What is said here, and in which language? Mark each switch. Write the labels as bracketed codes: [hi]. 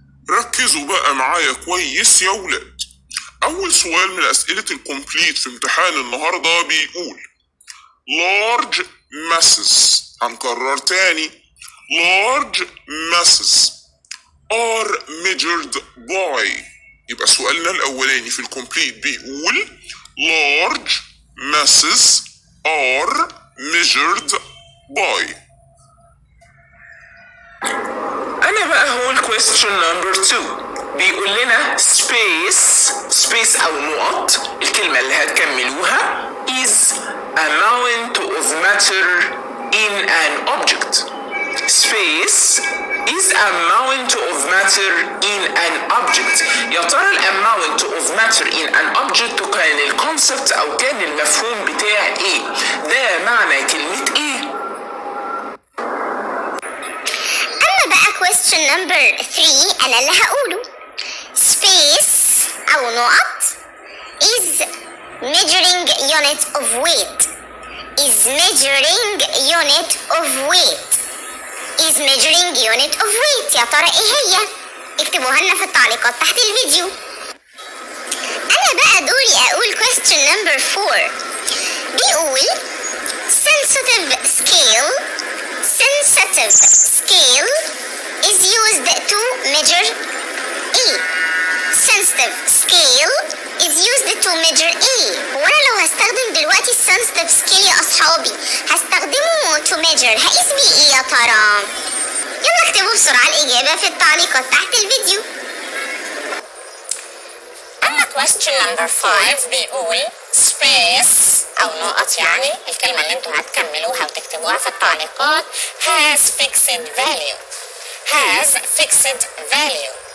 [ar] ركزوا بقى معايا كويس يا أولاد. أول سؤال من أسئلة الكمبليت في امتحان النهاردة بيقول [en] large masses، [ar] هنكرر تاني [en] large masses are measured by. [ar] يبقى سؤالنا الأولاني في الكمبليت بيقول [en] large masses are measured by. [ar] أنا بقى هقول [en] question number two، [ar] بيقول لنا space أو نقط، الكلمة اللي هتكملوها [en] is amount of matter in an object. Space is amount of matter in an object. [ar] يا ترى ال [en] amount of matter in an object [ar] كان ال concept أو كان المفهوم بتاع إيه؟ ده معنى كلمة إيه؟ أما بقى [en] question number three [ar] أنا اللي هقوله. [en] Space [ar] أو نقط [en] is measuring unit of weight. Is measuring unit of weight. Is measuring unit of weight. [ar] يا ترى ايه هي؟ اكتبوها لنا في التعليقات تحت الفيديو. انا بقى دوري اقول [en] question number 4. [ar] بيقول [en] sensitive scale is used to measure A. Sensitive scale is used to measure A. [ar] وانا لو هستخدم دلوقتي [en] sensitive scale [ar] يا اصحابي، هستخدمه [en] to measure، [ar] هقيس بيه ايه يا ترى؟ يلا اكتبوا بسرعة الإجابة في التعليقات تحت الفيديو. أما [en] question number 5 [ar] بيقول space أو نقط، يعني الكلمة اللي انتوا هتكملوها وتكتبوها في التعليقات، [en] has fixed value.